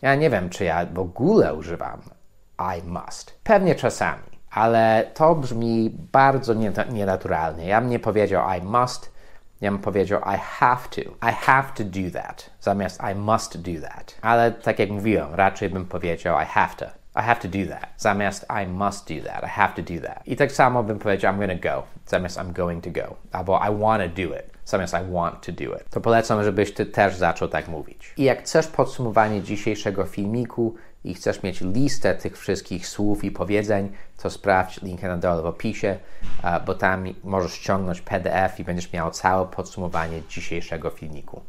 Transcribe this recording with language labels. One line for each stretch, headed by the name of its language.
Polish: Ja nie wiem, czy ja w ogóle używam
English: I must.
Polish: Pewnie czasami, ale to brzmi bardzo nienaturalnie. Ja bym nie powiedział
English: I must.
Polish: Ja bym powiedział
English: I have to. I have to do that.
Polish: Zamiast
English: I must do that.
Polish: Ale tak jak mówiłem, raczej bym powiedział
English: I have to. I have to do that.
Polish: Zamiast
English: I must do that. I have to do that.
Polish: I tak samo bym powiedział
English: I'm gonna go.
Polish: Zamiast
English: I'm going to go.
Polish: Albo
English: I wanna do it.
Polish: Zamiast
English: I want to do it.
Polish: To polecam, żebyś ty też zaczął tak mówić. I jak chcesz podsumowanie dzisiejszego filmiku i chcesz mieć listę tych wszystkich słów i powiedzeń, to sprawdź linkę na dole w opisie, bo tam możesz ściągnąć PDF i będziesz miał całe podsumowanie dzisiejszego filmiku.